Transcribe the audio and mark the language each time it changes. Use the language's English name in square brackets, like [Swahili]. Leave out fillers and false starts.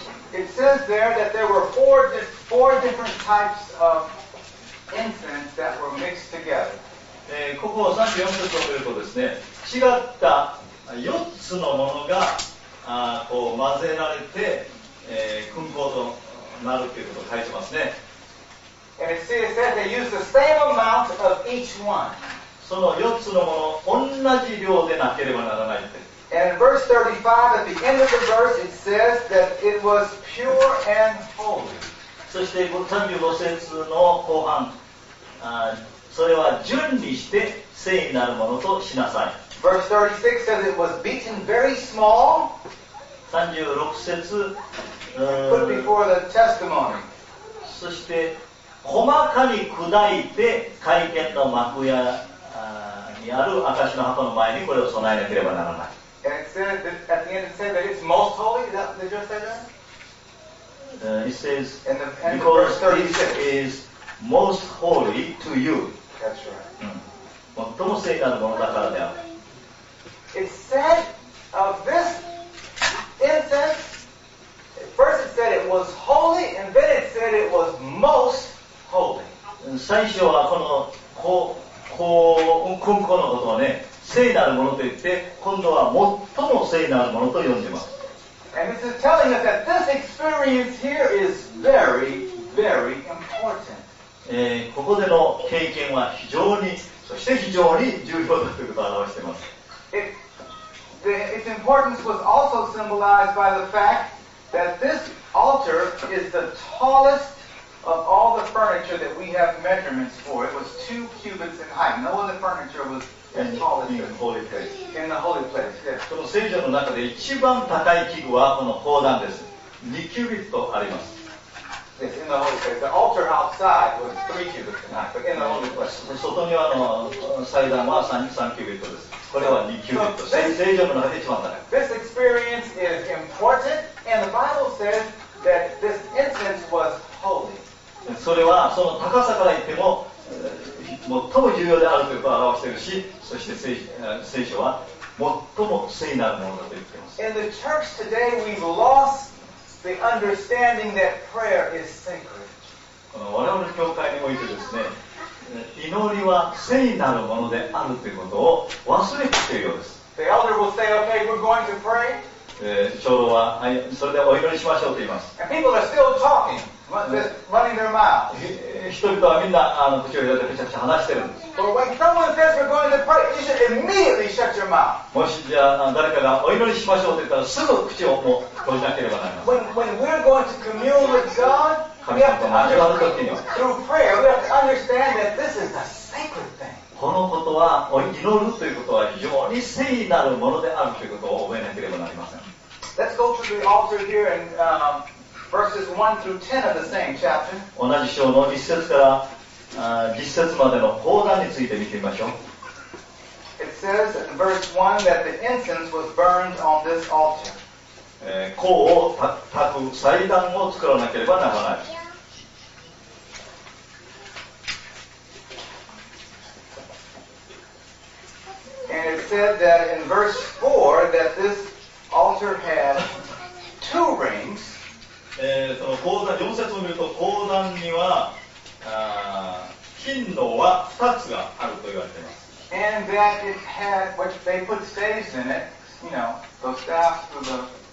[English] It says there that there were four different types of incense that were mixed together. [Japanese] ここは34節を見るとですね、違った4つのものがこう混ぜられて、燻香となるということを書いてますね。 [English] And it says that they used the same amount of each one. [Japanese] その4つのもの、同じ量でなければならないって。 [English] And in verse 35, at the end of the verse, it says that it was pure and holy. [Japanese] そして35節の後半、それは準備して聖なるものとしなさい。 [English] Verse 36 says it was beaten very small. [Japanese] 36節、 [English] put before the testimony. [Japanese] そして細かに砕いて会見の幕屋にある証の箱の前にこれを備えなければならない。 [English] And it said that at the end it said that it's most holy. Did you say that? It says, because this is most holy to you. That's right. [Japanese] 最も聖なるものだからである。 [English] It said of this incense, first it said it was holy, and then it said it was most holy. [Japanese] 最初はこの香のことをね、聖なるものと言って、今度は最も聖なるものと呼んでます。 [English] And this is telling us that this experience here is very, very important. [Japanese] ここでの経験は非常に、そして非常に重要だということを表しています。 [English] Its importance was also symbolized by the fact that this altar is the tallest of all the furniture that we have measurements for. It was 2 cubits in height. No other furniture was as tall as this. In the holy place. Yes. [Japanese] この聖所の中で一番高い器具はこの砲壇です。 2キュビットあります。 [English] Yes, in the holy place. The altar outside was 3 cubits in height, but in the holy place. [Japanese] 外庭の祭壇は 3キュビットです。これは2キュビット。 So, 聖所の中で一番高い。 [English] This experience is important, and the Bible says that this incense was holy. [Japanese] それはその高さから言っても最も重要であるということを表しているし、そして聖書は最も聖なるものだと言っています。 [English] In the church today, we've lost the understanding that prayer is sacred. [Japanese] この我々の教会においてですね、祈りは聖なるものであるということを忘れているようです。 [English] The elder will say, okay, we're going to pray. [Japanese] 長老は、はい、それではお祈りしましょうと言います。 [English] And people are still talking. Running their mouth. [Japanese] 人々はみんな口を開いてめちゃくちゃ話してるんです。 [English] But when someone says we're going to pray, you should immediately shut your mouth. [Japanese] もしじゃあ誰かがお祈りしましょうと言ったらすぐ口をもう閉じなければなりません。 [English] When we're going to commune with God, we have to understand through prayer, we have to understand that this is a sacred thing. [Japanese] このことは祈るということは非常に聖なるものであるということを覚えなければなりません。 [English] Let's go to the altar here and. Verses 1 through 10 of the same chapter. [Japanese] 同じ章の1節から10節までの砲壇について見てみましょう。 [English] It says in verse 1 that the incense was burned on this altar. [Japanese] 香を焚く祭壇を作らなければならない。 [English] And it said that in verse 4 that this altar had two rings. [Japanese] その鉱山、4節を見ると鉱山には金の輪2つがあると言われています。 [English] And that it had, which they put stays in it, you know, those staffs for the...